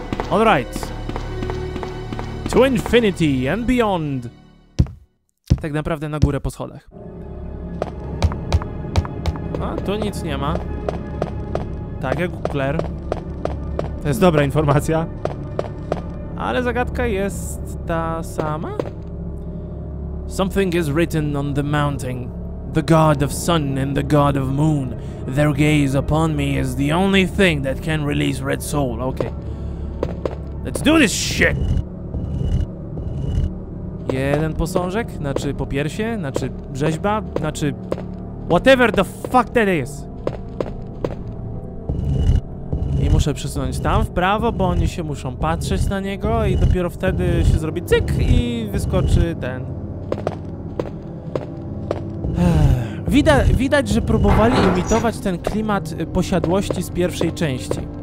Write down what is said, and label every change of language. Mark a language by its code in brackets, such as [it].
[en] Alright. To infinity and beyond. [pl] Tak naprawdę na górę po schodach. A, tu nic nie ma. Tak jak u Claire. To jest dobra informacja. Ale zagadka jest ta sama? [en] Something is written on the mountain. The god of sun and the god of moon. Their gaze upon me is the only thing that can release Red Soul. Okay. Let's do this shit! [pl] Jeden posążek? Znaczy po piersie? Znaczy rzeźba? Znaczy... [en] Whatever the fuck that is! [pl] I muszę przesunąć tam w prawo, bo oni się muszą patrzeć na niego i dopiero wtedy się zrobi cyk i wyskoczy ten. Widać, że próbowali imitować ten klimat posiadłości z pierwszej części.